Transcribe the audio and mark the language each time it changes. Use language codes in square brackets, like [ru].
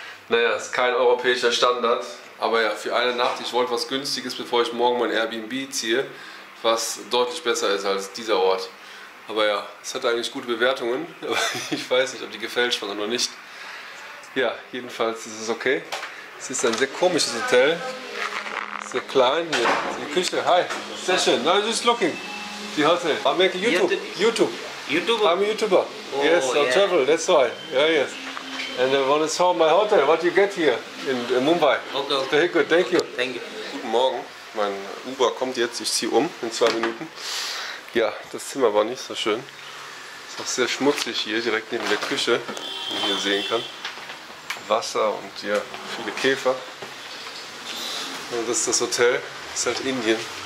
[de] Naja, ist kein europäischer Standard, aber ja, für eine Nacht, ich wollte was Günstiges, bevor ich morgen mein Airbnb ziehe, was deutlich besser ist als dieser Ort. Aber ja, es hat eigentlich gute Bewertungen, aber ich weiß nicht, ob die gefälscht waren oder nicht. Ja, jedenfalls ist es okay. Es ist ein sehr komisches Hotel, sehr klein hier, die Küche, hi, sehr schön, [en] now just looking, the hotel. I'm making YouTube. I'm a YouTuber, oh, yes, I travel, that's why, yeah, yes. And I want to show my hotel, what you get here in Mumbai. Okay. Very good, thank you. Thank you. [de] Guten Morgen, mein Uber kommt jetzt, ich ziehe um in 2 Minuten. Ja, das Zimmer war nicht so schön. Ist auch sehr schmutzig hier, direkt neben der Küche, wie man hier sehen kann. Wasser und hier viele Käfer. Und das ist das Hotel, das ist halt Indien.